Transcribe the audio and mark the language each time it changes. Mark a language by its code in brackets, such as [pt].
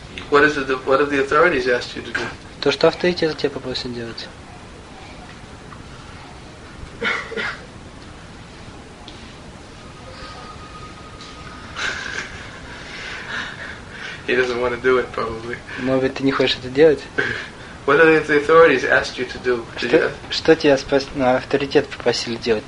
[en] What have the authorities asked you to do? [ru] То, что авторитеты тебя попросят делать. [en] He doesn't want to do it, probably. [ru] Может быть, ты не хочешь это делать? [en] What have the authorities asked you to do? [ru] Что тебя авторитет попросили делать?